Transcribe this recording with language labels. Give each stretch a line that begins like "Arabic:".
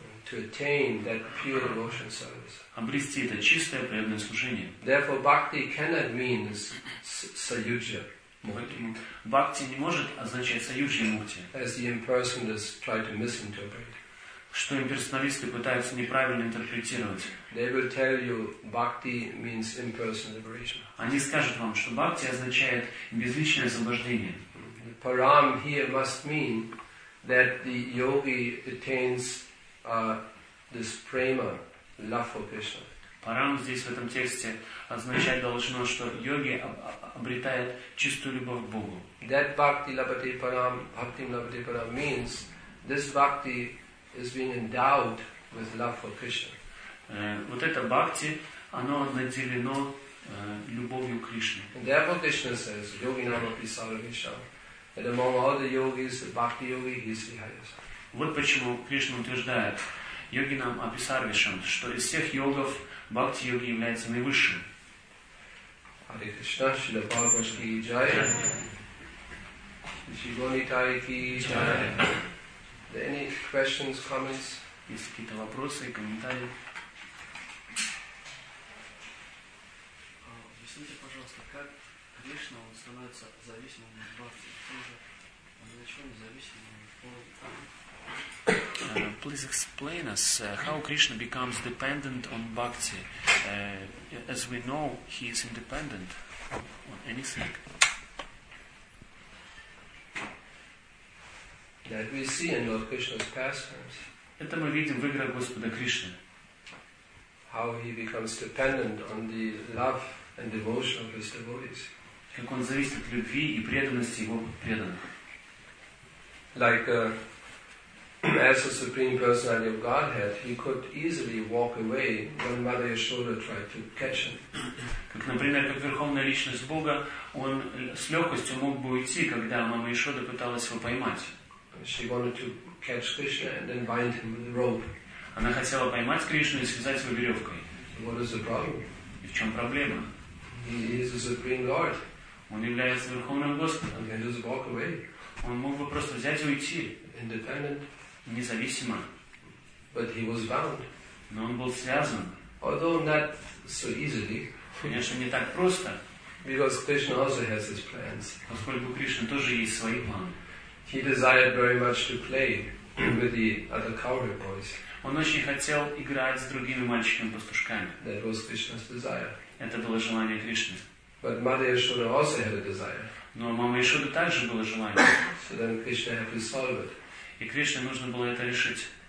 English: To attain that pure devotion service.
Russian: Обрести это чистое преданное служение.
English: Therefore, bhakti cannot mean sayujya.
Russian: Поэтому бхакти не может означать саюджья мукти.
English: As the impersonalists try to misinterpret.
Russian: Что имперсоналисты пытаются неправильно интерпретировать.
English: They will tell you bhakti means impersonal liberation.
Russian: Они скажут вам, что бхакти означает безличное освобождение.
English: Param here must mean that the yogi attains this prema, love for Krishna.
Russian: Param здесь в этом тексте означать должно, что йоги обретает чистую любовь к Богу.
English: That bhakti labhate param, bhakti labhate param means this bhakti is being endowed with love for Krishna.
Russian: Вот это бхакти, оно наделено любовью к Кришне.
English: And therefore Krishna says, yogi nama pisaravisha. And among all the yogis, the bhakti yogi is the highest.
Russian: Вот почему Кришна утверждает йогинам Аписарвишам, что из всех йогов бхакти йоги является наивысшим.
English: Hare Krishna, Śrīla Prabhupāda ki jai. Shri Gaura-Nitāya ki jai. Any questions, comments?
Russian: Есть какие-то вопросы, комментарии? Объясните, пожалуйста, как Кришна он становится зависимым от Бхакти? Он зачем зависимым от Бхакти?
English: Please explain us how Krishna becomes dependent on Bhakti. As we know, he is independent on anything. That we see in Lord Krishna's pastimes.
Russian: Это мы видим в играх Господа Кришны.
English: How he becomes dependent on the love and devotion of his devotees.
Russian: Как он зависит от любви и преданности его преданных.
English: Like as the Supreme Personality of Godhead, he could easily walk away when Mother Yashoda tried to catch him.
Russian: Как, например, как верховная личность Бога, он с легкостью мог бы уйти, когда Мама Яшода пыталась его поймать.
English: She wanted to catch Krishna and then bind him with a rope.
Russian: Она хотела поймать Кришну и связать его веревкой.
English: What is the problem?
Russian: И в чем проблема?
English: He is the Supreme Lord.
Russian: Он является верховным Господом.
English: And he can just walk away.
Russian: Он мог бы просто взять и уйти.
English: Independent.
Russian: Независимо.
English: But he was bound.
Russian: Но он был связан.
English: Although not so easily.
Russian: Конечно, не так просто.
English: Because Krishna also has his plans.
Russian: Поскольку Кришна тоже есть свои планы.
English: He desired very much to play with the other cowherd boys.
Russian: Он очень хотел играть с другими мальчиками-пастушками.
English: That was Krishna's desire.
Russian: Это было желание Кришны.
English: But Mother Yashoda also had a desire.
Russian: Но мама Яшоды также было желание.
English: So then Krishna had to solve it.
Russian: И Кришне нужно было это решить.